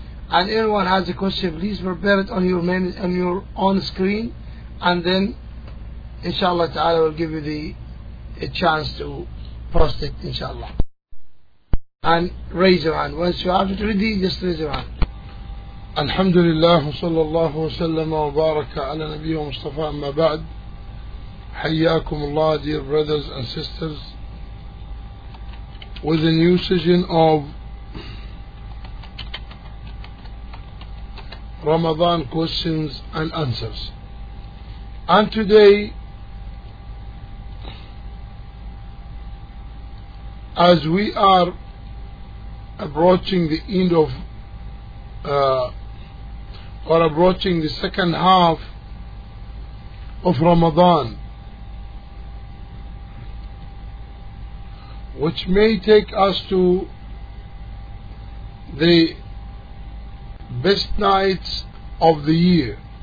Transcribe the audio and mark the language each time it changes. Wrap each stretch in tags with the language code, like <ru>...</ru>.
<en>And anyone has a question, please prepare it on your main, on your own screen, and then inshallah ta'ala will give you the a chance to post it, inshallah. And raise your hand. Once you have it ready, just raise your hand.</en> <ar>الحمد لله صلى الله وسلم وبارك على نبيه مصطفى. أما بعد, حياكم الله</ar> <en>dear brothers and sisters, with a new season of Ramadan questions and answers. And today, as we are approaching the end of approaching the second half of Ramadan, which may take us to the best nights of the year,</en>